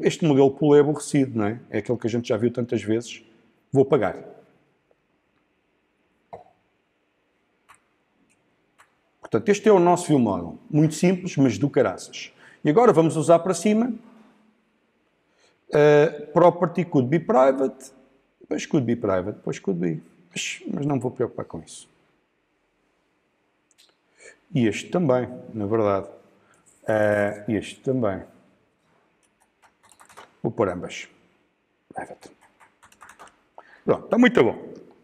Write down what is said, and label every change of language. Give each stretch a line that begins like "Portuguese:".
Portuguese: Este modelo pool é aborrecido, não é? É aquele que a gente já viu tantas vezes. Vou apagar. Portanto, este é o nosso view model. Muito simples, mas do caraças. E agora vamos usar para cima.
English: Property could be private.
Portuguese: Pois
English: could be private. Pois could be.
Portuguese: Mas não me vou preocupar com isso. E este também, na verdade. Este também. Vou pôr ambas. Private. Pronto, está muito bom.